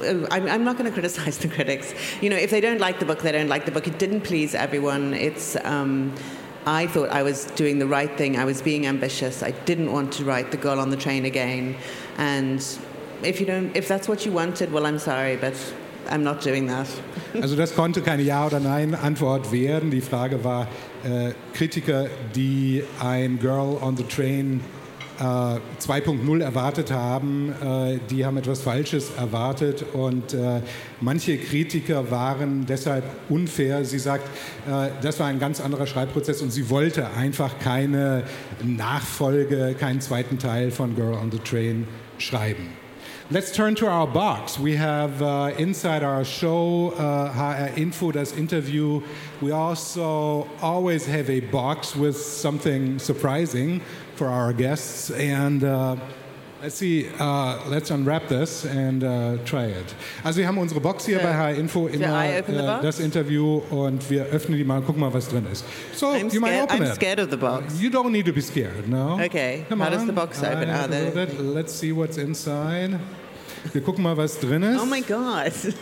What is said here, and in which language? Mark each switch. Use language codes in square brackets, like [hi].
[en] I'm not going to criticize the critics. You know, if they don't like the book, they don't like the book. It didn't please everyone. It's. I thought I was doing the right thing. I was being ambitious. I didn't want to write The Girl on the Train again. And if you don't, if that's what you wanted, well, I'm sorry, but. I'm not doing that. [de] Also das konnte keine Ja- oder Nein-Antwort werden. Die Frage war, Kritiker, die ein Girl on the Train 2.0 erwartet haben, die haben etwas Falsches erwartet. Und manche Kritiker waren deshalb unfair. Sie sagt, das war ein ganz anderer Schreibprozess und sie wollte einfach keine Nachfolge, keinen zweiten Teil von Girl on the Train schreiben. [en] Let's turn to our box. We have inside our show, HR Info, das Interview. We also always have a box with something surprising for our guests. And let's see, let's unwrap this and try it. [de] Also wir haben unsere Box hier bei HR Info, immer das Interview. Und wir öffnen die mal und gucken mal, was drin ist. [en] So, I'm you Might open I'm it. I'm scared of the box. You don't need to be scared, no? Okay, come how on. Does the box open? Are there? Let's see what's inside. [de] Wir gucken mal, was drin ist. [en] Oh my God.